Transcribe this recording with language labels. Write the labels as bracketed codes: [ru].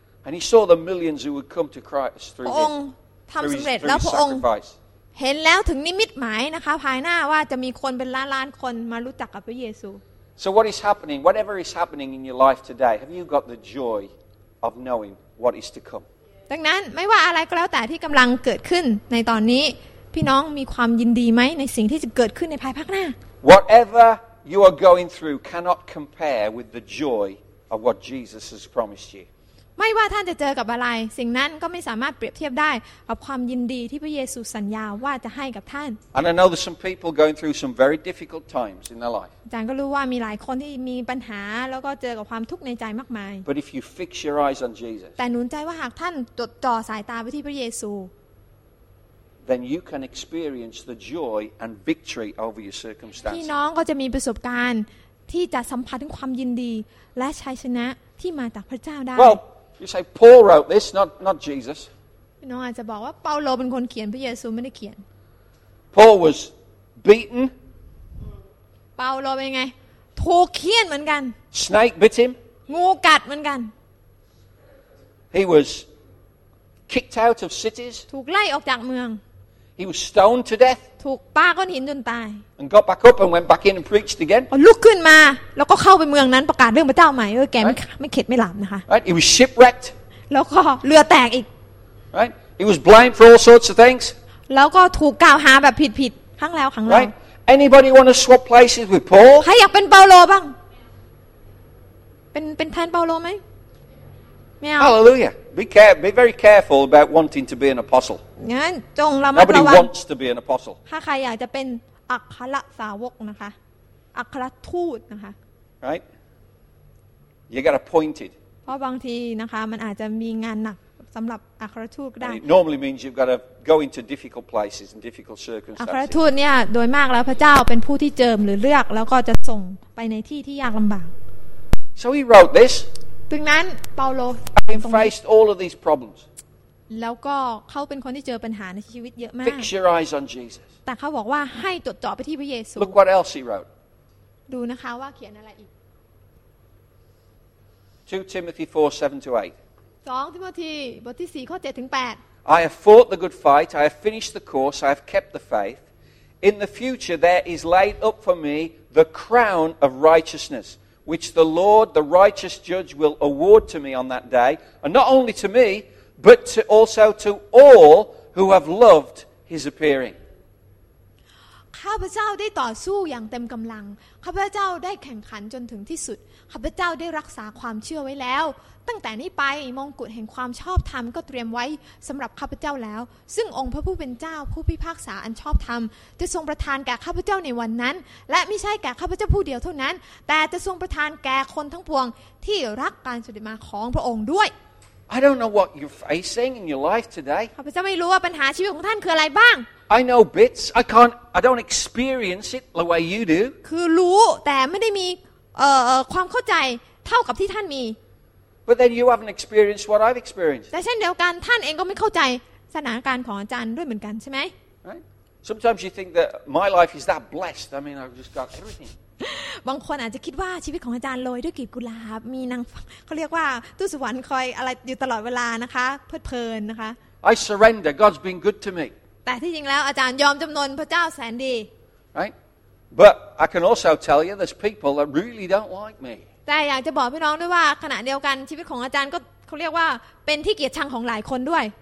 [en] And he saw the millions who would come to Christ through him. [th] ทำสำเร็จแล้วพระองค์เห็นแล้วถึงนิมิตหมายนะคะภายหน้าว่าจะมีคนเป็นล้านล้านคนมารู้จักกับพระเยซู [en] So what is happening whatever is happening in your life today have you got the joy of knowing what is to come [th] ดังนั้นไม่ว่าอะไรก็แล้วแต่ที่กำลังเกิดขึ้นในตอนนี้พี่น้องมีความยินดีไหมในสิ่งที่จะเกิดขึ้นในภายภาคหน้า [en] Whatever you are going through cannot compare with the joy of what Jesus has promised you [th] ไม่ว่าท่านจะเจอกับอะไรสิ่งนั้นก็ไม่สามารถเปรียบเทียบได้กับความยินดีที่พระเยซูสัญญาว่าจะให้กับท่าน [en] And I know there's some people going through some very difficult times in their life. [th] อาจารย์ก็รู้ว่ามีหลายคนที่มีปัญหาแล้วก็เจอกับความทุกข์ในใจมากมาย [en] But if you fix your eyes on Jesus. [th] แต่หนุนใจว่าหากท่านจดจ่อสายตาไปที่พระเยซู [en] then you can experience the joy and victory over your circumstances. [th] พี่น้องก็จะมีประสบการณ์ที่จะสัมผัสถึงความยินดีและชัยชนะที่มาจากพระเจ้าได้ [en] Well, you say Paul wrote this, not Jesus. [th] พี่น้องอาจจะบอกว่าเปาโลเป็นคนเขียนพระเยซูไม่ได้เขียน [en] Paul was beaten. [th] เปาโลเป็นไงถูกเขี่ยนเหมือนกัน [en] Snake bit him. [th] งูกัดเหมือนกัน [en] He was kicked out of cities. [th] ถูกไล่ออกจากเมือง [en] He was stoned to death. [th] ถูกปาก้อนหินจนตาย [en] And got back up and went back in and preached again. [th] ลุกขึ้นมาแล้วก็เข้าไปเมืองนั้นประกาศเรื่องพระเจ้าใหม่เออแกไม่เข็ดไม่หลับนะคะ [en] Right. He was shipwrecked. [th] แล้วก็เรือแตกอีก [en] Right. He was blamed for all sorts of things. [th] แล้วก็ถูกกล่าวหาแบบผิดๆครั้งแล้วครั้งเล่า [en] Right. Anybody want to swap places with Paul? [th] ใครอยากเป็นเปาโลบ้างเป็นแทนเปาโลไหม [en] Hallelujah. Be very careful about wanting to be an apostle. [th] งั้นจงระมัดระ [en] วัง Nobody wants to be an apostle. [th] ถ้าใครอยากจะเป็นอัครสาวกนะคะอัครทูตนะคะ [en] Right. You get appointed. [th] เพราะบางทีนะคะมันอาจจะมีงานหนักสำหรับอัครทูตก็ได้ [en] And it normally means you've got to go into difficult places and difficult circumstances. [th] อัครทูตเนี่ยโดยมากแล้วพระเจ้าเป็นผู้ที่เจิมหรือเลือกแล้วก็จะส่งไปในที่ที่ยากลำบาก [en] So he wrote this. [th] ดังนั้นเปาโล [en] faced all of these problems [th] แล้วก็เขาเป็นคนที่เจอปัญหาในชีวิตเยอะมาก [en] Fix your eyes on Jesus [th] แต่เขาบอกว่าให้จดจ่อไปที่พระเยซู [en] Look what else he wrote [th] ดูนะคะว่าเขียนอะไรอีก [en] 2 Timothy 4:7-8 [th] 2 ทิโมธีบทที่4ข้อ7ถึง8 [en] I have fought the good fight I have finished the course I have kept the faith In the future there is laid up for me the crown of righteousnessWhich the Lord, the righteous Judge, will award to me on that day, and not only to me, but to also to all who have loved His appearing. [th] ข้าพเจ้าได้ต่อสู้อย่างเต็มกำลังข้าพเจ้าได้แข่งขันจนถึงที่สุดข้าพเจ้าได้รักษาความเชื่อไว้แล้วตั้งแต่นี้ไปมงกุฎแห่งความชอบธรรมก็เตรียมไว้สำหรับข้าพเจ้าแล้วซึ่งองค์พระผู้เป็นเจ้าผู้พิพากษาอันชอบธรรมจะทรงประทานแก่ข้าพเจ้าในวันนั้นและไม่ใช่แก่ข้าพเจ้าผู้เดียวเท่านั้นแต่จะทรงประทานแก่คนทั้งปวงที่รักการเสด็จมาของพระองค์ด้วย [en] I don't know what you're facing in your life today [th] ข้าพเจ้าไม่รู้ว่าปัญหาชีวิตของท่านคืออะไรบ้าง [en] I know bits. I don't experience it the way you do. [th] คือรู้แต่ไม่ได้มีความเข้าใจเท่ากับที่ท่านมี [en] But then you haven't experienced what I've experienced. [th] แต่เช่นเดียวกันท่านเองก็ไม่เข้าใจสถานการณ์ของอาจารย์ด้วยเหมือนกันใช่ไหม [en] Right. Sometimes you think that my life is that blessed. I mean, I've just got everything. [th] บางคนอาจจะคิดว่าชีวิตของอาจารย์ลอยด้วยกลีบกุหลาบมีนางเขาเรียกว่าตู้สวรรค์คอยอะไรอยู่ตลอดเวลานะคะเพลิดเพลินนะคะ [en] I surrender. God's been good to me. [th] แต่ที่จริงแล้วอาจารย์ยอมจำนนพระเจ้าแสนดี [en] Right But I can also tell you there's people that really don't like me [th] แต่อยากจะบอกพี่น้องด้วยว่าขณะเดียวกันชีวิตของอาจารย์ก็เขาเรียกว่าเป็นที่เกลียดชังของหลายคนด้วย